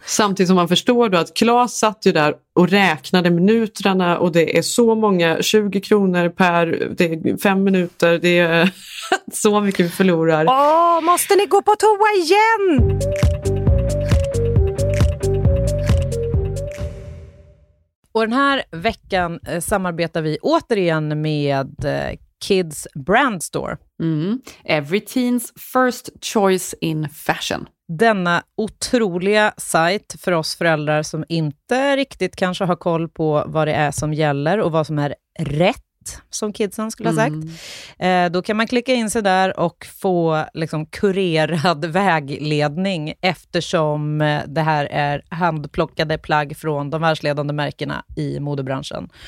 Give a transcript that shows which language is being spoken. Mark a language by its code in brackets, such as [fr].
[sv] samtidigt som man förstår då att Klas satt ju där och räknade minuterna, och det är så många, 20 kronor per, det är 5 minuter, det är så mycket vi förlorar. Åh, måste ni gå på toa igen? Och den här veckan samarbetar vi återigen med Kids Brand Store. Mm. [en] Every teen's first choice in fashion. [sv] Denna otroliga sajt för oss föräldrar som inte riktigt kanske har koll på vad det är som gäller och vad som är rätt, som kidsen skulle ha sagt. Då kan man klicka in sig där och få liksom kurerad vägledning, eftersom det här är handplockade plagg från de världsledande märkena i modebranschen.